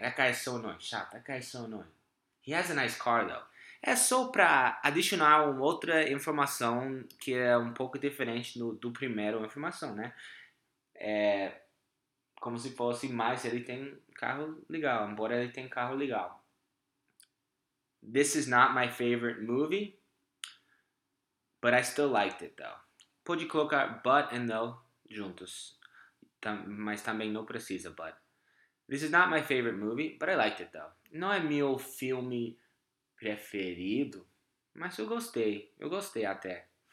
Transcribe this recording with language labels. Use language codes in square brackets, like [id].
[en] Chato, that guy is so annoying. He has a nice car, though. [pt] É só para adicionar uma outra informação que é um pouco diferente do primeiro informação, né? É como se fosse mais ele tem carro legal, embora ele tenha carro legal. [en] This is not my favorite movie, but I still liked it though. [pt] Pode colocar but and though juntos, mas também não precisa but. [en] This is not my favorite movie, but I liked it though. [pt] Não é meu filme preferido, mas eu gostei até.